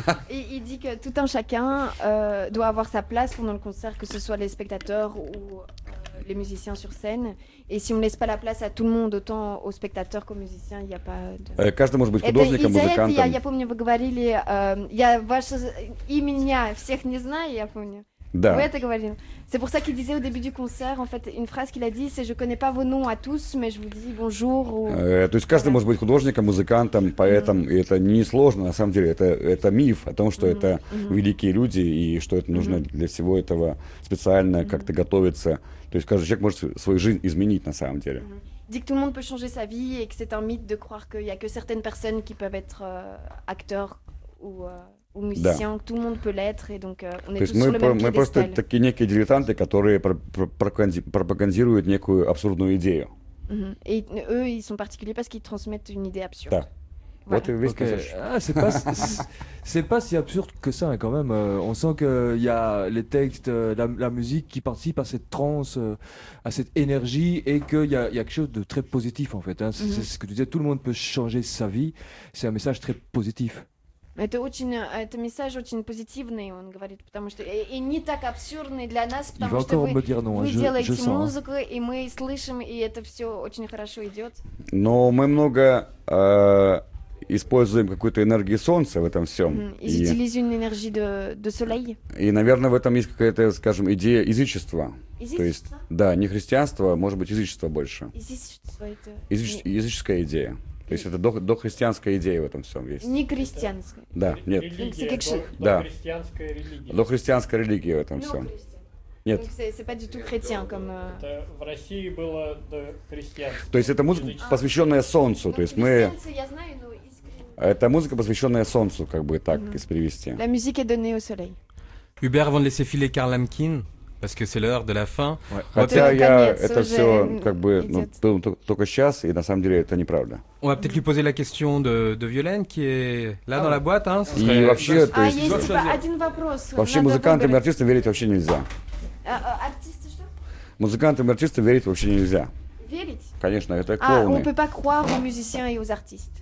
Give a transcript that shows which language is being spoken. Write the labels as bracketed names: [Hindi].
[French] Il dit que tout un chacun doit avoir sa place pendant le concert, que ce soit les spectateurs ou les musiciens sur scène. Et si on ne laisse pas la place à tout le monde, autant aux spectateurs qu'aux musiciens, il n'y a pas de... [Russian] Каждый может быть художником, музыкантом. Я помню, вы говорили... Я ваше имя всех не знаю, я помню. Да. Вы это говорили. [French] C'est pour ça qu'il disait au début du concert, en fait, une phrase qu'il a dit, c'est « Je ne connais pas vos noms à tous, mais je vous dis bonjour. Ou... » [Russian] То есть каждый может быть художником, музыкантом, поэтом, mm-hmm. и это не сложно, на самом деле, это миф о том, что mm-hmm. это mm-hmm. великие люди, и что это нужно mm-hmm. для всего этого специально mm-hmm. как-то готовиться. То есть каждый человек может свою жизнь изменить, на самом деле. Mm-hmm. [French] Dit que tout le monde peut changer sa vie, et que c'est un mythe de croire qu'il n'y a que certaines personnes qui peuvent être acteurs ou musicien, [Russian] да. [French] Que tout le monde peut l'être, et donc on [Russian] То [French] est tous sur le même piédestal. [Russian] Мы просто такие некие дилетанты, которые пропагандируют некую абсурдную идею. Mm-hmm. [French] Et eux, ils sont particuliers parce qu'ils transmettent une idée absurde. [Russian] Да. [French] Voilà. [English] Okay. Okay. [French] Ah, c'est pas si absurde que ça, quand même. On sent qu'il y a les textes, la musique qui participent à cette transe, à cette énergie, et qu'il y a quelque chose de très positif, en fait. Hein. Mm-hmm. C'est ce que tu disais, tout le monde peut changer sa vie. C'est un message très positif. [Russian] Это очень, это месседж очень позитивный, он говорит, потому что и не так абсурдный для нас, потому что вы делаете музыку, и мы слышим, и это все очень хорошо идет. Но мы много используем какую-то энергию солнца в этом всем. Используем энергию [French] de soleil. [Russian] И, наверное, в этом есть какая-то, скажем, идея язычества. Язычество? То есть, да, не христианство, может быть, язычество больше. Язычество это... Языческая идея. То есть это дохристианская идея в этом всем есть. Не христианская. Да, нет. Религия, да. Дохристианская религия. Дохристианская религия в этом всем. Нет. Это в России было дохристианство. То есть это музыка, посвященная солнцу. То есть мы... Я знаю, но искренне... Это музыка, посвященная солнцу, как бы так если перевести. [French] La musique est donnée au soleil. Hubert, avant de laisser filer Karl Lemkin, parce que c'est l'heure de la fin. [Russian] Хотя я это все как бы только сейчас, и на самом деле это неправда. [French] On va peut-être lui poser la question de Violaine qui est là dans la boîte. Hein, [Russian] и вообще, то есть... А есть типа, один вопрос. Вообще музыкантам и артистам верить вообще нельзя. Артисты что? Музыкантам и артистам верить вообще нельзя. Верить? Конечно, это клоуны. [French] А, on peut pas croire aux musiciens et aux artistes.